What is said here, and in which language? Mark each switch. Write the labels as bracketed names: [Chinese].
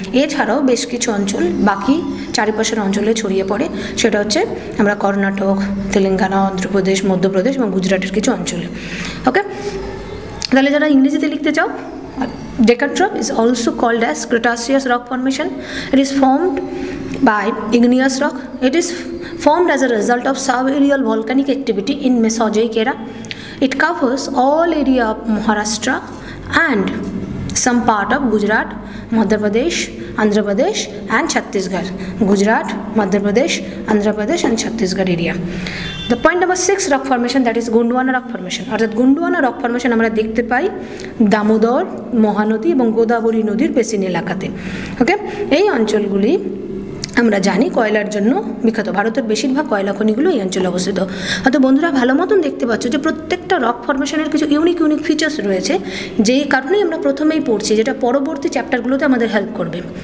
[Bangla] এছাড়াও বেশ কিছু অঞ্চল বাকি চারিপাশের অঞ্চলে ছড়িয়ে পড়ে, সেটা হচ্ছে আমরা কর্ণাটক, তেলেঙ্গানা, অন্ধ্রপ্রদেশ, মধ্যপ্রদেশ এবং গুজরাটের কিছু অঞ্চলে। ওকে, তাহলে যারা ইংরেজিতে লিখতে চাও, [English] Deccan trap is also called as cretaceous rock formation, it is formed by igneous rock, it is formed as a result of sub-aerial volcanic activity in Mesozoic era. It covers all area of Maharashtra and some part of Gujarat, Madhya Pradesh, Andhra Pradesh and Chhattisgarh. Gujarat, Madhya Pradesh, Andhra Pradesh and Chhattisgarh area. The point number 6 rock formation, that is Gondwana rock formation. [Bangla] অর্থাৎ Gondwana rock formation আমরা দেখতে পাই দামোদর, মহানদী এবং গোদাবরী নদীর basin এলাকাতে। ওকে, এই অঞ্চলগুলি আমরা জানি কয়লার জন্য বিখ্যাত, ভারতের বেশিরভাগ কয়লা খনিগুলো এই অঞ্চলে অবস্থিত। হয়তো বন্ধুরা ভালো মতন দেখতে পাচ্ছ যে প্রত্যেকটা রক ফরমেশনের কিছু ইউনিক ইউনিক ফিচার্স রয়েছে, যেই কারণেই আমরা প্রথমেই পড়ছি, যেটা পরবর্তী চ্যাপ্টারগুলোতে আমাদের হেল্প করবে।